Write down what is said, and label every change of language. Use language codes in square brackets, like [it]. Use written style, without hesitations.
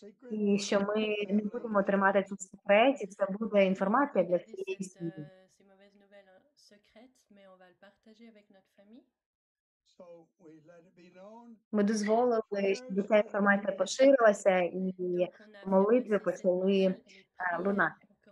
[uk] І що ми не будемо тримати цю секрет, і це буде інформація для всієї сім'ї. [fr] C'est une mauvaise nouvelle, un secret, mais on va le partager avec notre famille. [en] So we let it be known. [uk] Ми дозволили, щоб ця інформація поширилася, і молитви почали лунати.